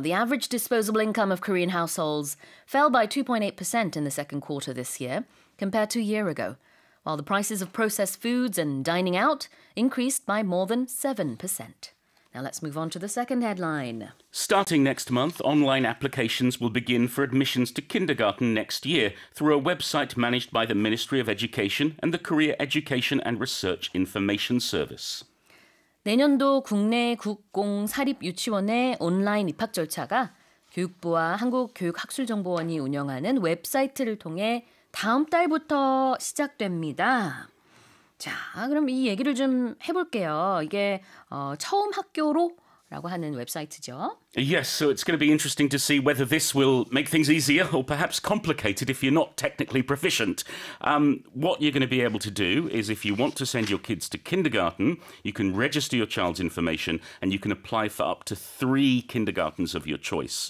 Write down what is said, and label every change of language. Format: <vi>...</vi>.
<en>The average disposable income of Korean households fell by 2.8% in the second quarter this year compared to a year ago, while the prices of processed foods and dining out increased by more than 7%. Now let's move on to the second headline. Starting next month, online applications will begin for admissions to kindergarten next year through a website managed by the Ministry of Education and the Korea Education and Research Information Service.</en> <ko>내년도 국내 국공 사립 유치원의 온라인 입학 절차가 교육부와 한국교육학술정보원이 운영하는 웹사이트를 통해 다음 달부터 시작됩니다. 자, 그럼 이 얘기를 좀 해볼게요. 이게 처음 학교로 라고 하는 웹사이트죠.</ko> <en>Yes, so it's going to be interesting to see whether this will make things easier or perhaps complicated if you're not technically proficient. What you're going to be able to do is if you want to send your kids to kindergarten, you can register your child's information and you can apply for up to three kindergartens of your choice.</en>